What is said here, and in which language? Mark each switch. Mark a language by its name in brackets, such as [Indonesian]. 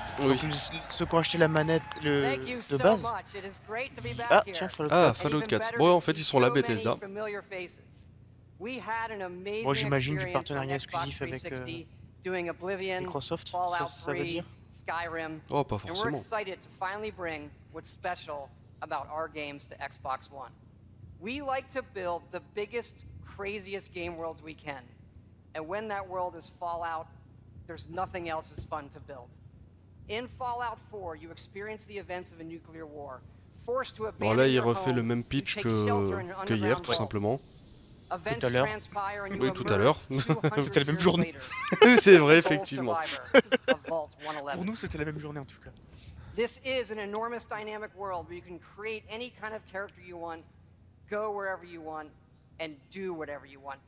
[French] Oui. Ceux qui ont acheté la manette de base. Ah, tiens, Fallout 4. Ah, Fallout 4. Bon, en fait, ils sont là, Bethesda. Moi, j'imagine du partenariat exclusif avec Microsoft, ça veut dire. Skyrim. Oh, pas forcément. [English] And we're excited to finally bring what's special about our games to Xbox One. We like to build the biggest, craziest game worlds we can. And when that world is Fallout, there's nothing else as fun to build. In Fallout 4, you experience the events of a nuclear war, forced to abandon [French] bon, là, il refait [English] home, [French] le même pitch que hier, tout simplement. Tout à l'heure. Oui, tout à l'heure. C'était la même journée. C'est vrai, effectivement. Pour nous, c'était la même journée, en tout cas. [English] This is an enormous dynamic world where you can create any kind of character you want, go wherever you want, and do whatever you want.